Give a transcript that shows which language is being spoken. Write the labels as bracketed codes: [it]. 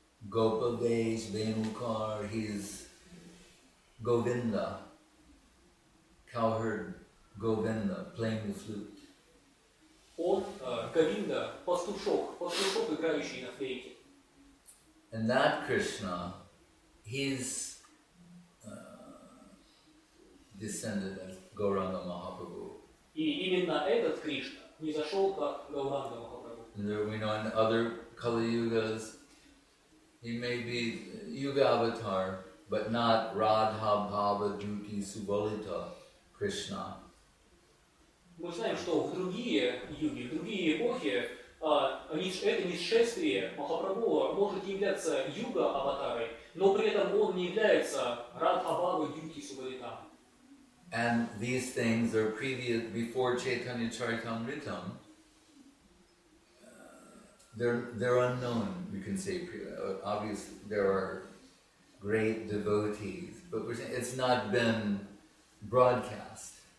[en] Gopavesh Venukar, he is Govinda, cowherd Govinda, playing the flute. [ru] Govinda, пастушок, играющий на флейте. [en] And that Krishna, he's descended as Gauranga Mahaprabhu. [ru] И именно этот Кришна не зашел как Гауранга Махапрабху. [en] And there we know in other Kali Yugas, he may be Yuga Avatar, but not Radha Bhava Dhuti Subalita Krishna. [ru] Мы знаем, что в другие юги, в другие эпохи, это нисшествие Махапрабху может являться Юга Аватарой, но при этом он не является Радха Бхава Дхюти Субалита. [en] And these things are previous, before Chaitanya Charitamritam, they're unknown, you can say. Obviously, there are great devotees, but we're saying it's not been broadcast.